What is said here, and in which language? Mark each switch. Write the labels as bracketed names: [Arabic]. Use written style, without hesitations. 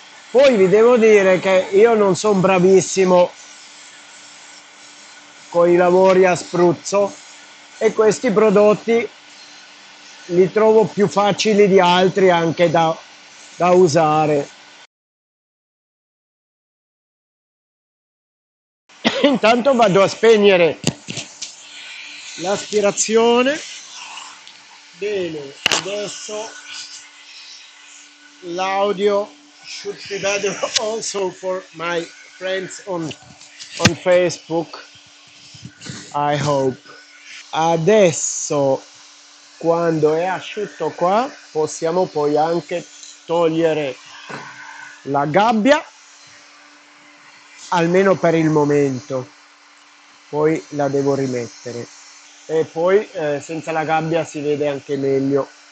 [Italian] Poi vi devo dire che io non sono bravissimo con i lavori a spruzzo e questi prodotti li trovo più facili di altri anche da usare. Intanto vado a spegnere l'aspirazione. Bene, adesso l'audio [English] should be better also for my friends on Facebook, I hope. [Italian] Adesso, quando è asciutto qua, possiamo poi anche togliere la gabbia, almeno per il momento, poi la devo rimettere. E poi senza la gabbia si vede anche meglio.